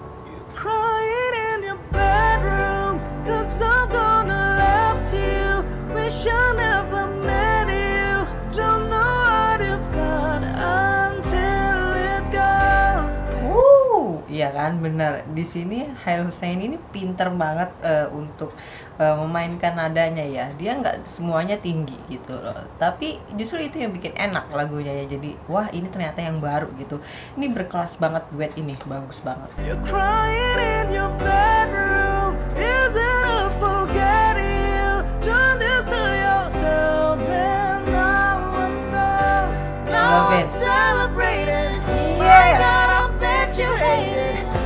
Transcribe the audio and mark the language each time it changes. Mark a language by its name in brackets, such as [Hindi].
[English] You're crying in your bedroom, cause I'm gonna left you. Wish I never met you. Don't know what you've got until it's gone. [Indonesian] Woo, iya kan, benar. Di sini Hail Husaini ini pinter banget untuk memainkan nadanya ya. Dia nggak semuanya tinggi gitu loh. Tapi justru itu yang bikin enak lagunya ya. Jadi wah, ini ternyata yang baru gitu. Ini berkelas banget duet ini. Bagus banget. [English] You're crying in your bedroom. Is it a forget you? Don't this to yourself and now I'm gone. Now I'm celebrating. My God, I bet you hate it.